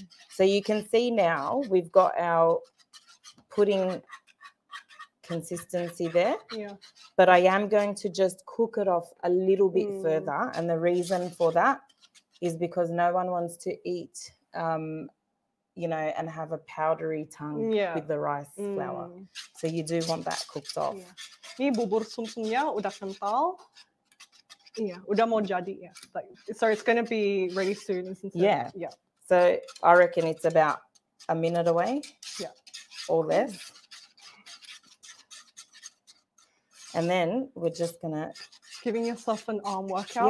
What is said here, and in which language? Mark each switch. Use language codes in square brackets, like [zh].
[en] So you can see now we've got our pudding consistency there, but I am going to just cook it off a little bit further, and the reason for that is because no one wants to eat and have a powdery tongue with the rice flour. So you do want that cooked off. [id] Ini bubur sumsumnya udah kental. Udah mau jadi ya. [en] So it's going to be ready soon, isn't it? So I reckon it's about a minute away. Yeah. Or less. And then we're just going to... Giving yourself an arm workout,